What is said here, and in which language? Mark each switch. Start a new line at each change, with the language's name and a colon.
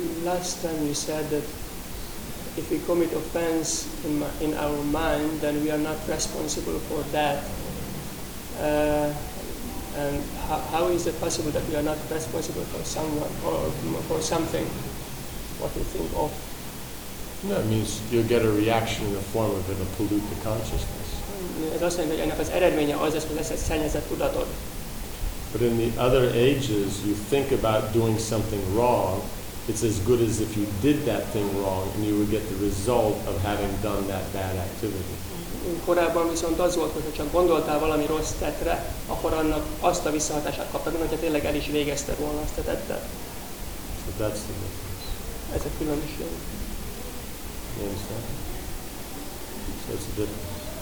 English: Last time you said that if we commit offense in our mind, then we are not responsible for that. And how is it possible that we are not responsible for someone or for something? What do you think of? No, it means you'll get a reaction in the form of it'll pollute the consciousness.
Hungarian: Ez azt mondja, hogy ennek az eredménye az lesz, hogy lesz egy szennyezett tudatod.
English: But in the other ages, you think about doing something wrong, it's as good as if you did that thing wrong and you would get the result of having done that bad activity.
Hungarian: Korábban viszont az volt, hogy csak gondoltál valami rossz tettre, akkor annak azt a visszahatását kaptad, mintha tényleg el is végezted volna azt a tettet.
English: So that's the difference.
Hungarian: Ez a különbség.
English: You understand? So that's the difference.